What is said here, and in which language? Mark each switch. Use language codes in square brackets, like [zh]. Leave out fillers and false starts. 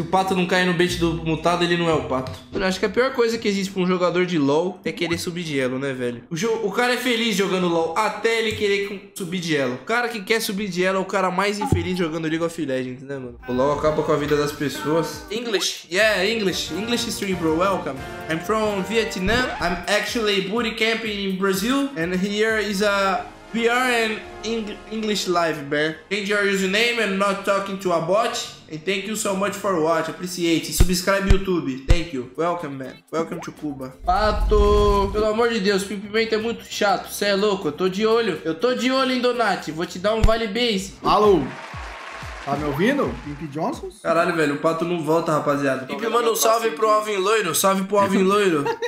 [pt] Se o pato não cair no bait do mutado, ele não é o pato. Eu acho que a pior coisa que existe pra um jogador de LoL é querer subir de elo, né, velho? O cara é feliz jogando LoL, até ele querer subir de elo. O cara que quer subir de elo é o cara mais infeliz jogando League of Legends, né, mano? O LoL acaba com a vida das pessoas. [en] English. Yeah, English. English stream, bro. Welcome. I'm from Vietnam. I'm actually booty camping in Brazil. And here is a PR and English live, man. Change your username and not talking to a bot. And thank you so much for watching. Appreciate. Subscribe YouTube. Thank you. Welcome, man. Welcome to Cuba. [pt] Pato! Pelo amor de Deus, Pimpimenta é muito chato. Cê é louco? Eu tô de olho. Eu tô de olho em Donati. Vou te dar um vale base. Alô? Tá me ouvindo? Pimp Johnson? Caralho, velho. O pato não volta, rapaziada. Pimp, manda um salve pro Alvin Loiro. Salve pro Alvin Loiro.